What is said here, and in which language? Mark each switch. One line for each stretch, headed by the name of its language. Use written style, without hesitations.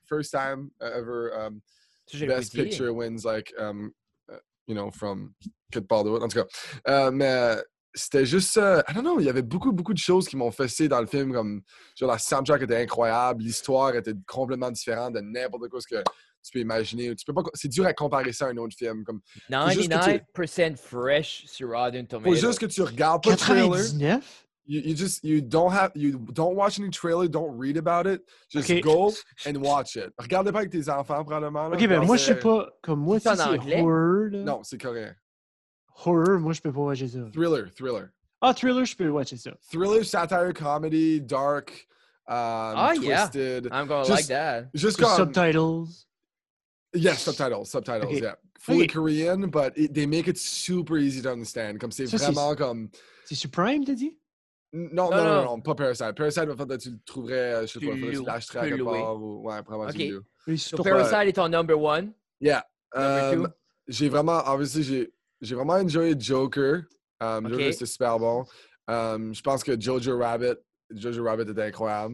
English: First time ever Best Picture wins like, you know, from...
French: Que de Baldwin. En tout cas. C'était juste...
English: I don't know.
French: Il y avait beaucoup de choses qui m'ont fessé dans le film. Comme, genre, la soundtrack était incroyable. L'histoire était complètement différente de n'importe quoi ce que... Tu peux imaginer, tu peux pas, c'est dur à comparer ça à un autre film. Comme, 99% tu, fresh sur Rotten Tomatoes. Faut juste que tu regardes pas le trailer. 99?
English: You don't watch any trailer, don't read about it. Just okay. Go and watch it.
French: Regardez pas avec tes enfants, probablement. Là, ok, ben moi je sais pas, comme moi c'est anglais?
English: Horror. Là.
French: Non, c'est coréen. Horror, moi je peux pas watcher ça.
English: Thriller.
French: Ah, thriller, je peux watcher ça.
English: Thriller, satire, comedy, dark, twisted. Yeah. I'm gonna just, like that. Just comme, subtitles. Yeah, subtitles, okay. Yeah. Fully okay. Korean, but they make it super easy to understand.
French: Comme c'est vraiment comme... C'est sur Prime, t'as dit? Non, pas Parasite. Parasite, va faire que tu le trouverais, je sais pas, si l'acheterais à quelque part. Ou, ouais, probablement. Okay. So Parasite est ton number one? Yeah.
English: Number two?
French: J'ai vraiment enjoyé Joker. Okay. Joker, c'est super bon. Je pense que Jojo Rabbit était incroyable.